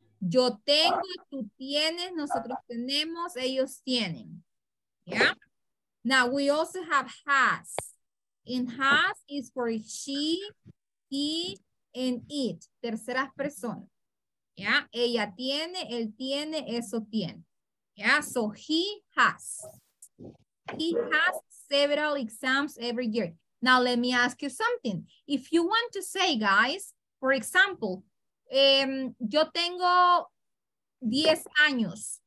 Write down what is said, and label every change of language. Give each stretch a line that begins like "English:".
Spanish: Yo tengo, tú tienes, nosotros tenemos, ellos tienen.
English: ¿Ya? Yeah? Now, we also have has. And has is for she, he, and it.
Spanish: Terceras personas. ¿Ya? Yeah? Ella tiene, él tiene, eso tiene. ¿Ya? Yeah?
English: So, he has. He has several exams every year. Now, let me ask you something. If you want to say, guys, for example,
Spanish: yo tengo 10 años.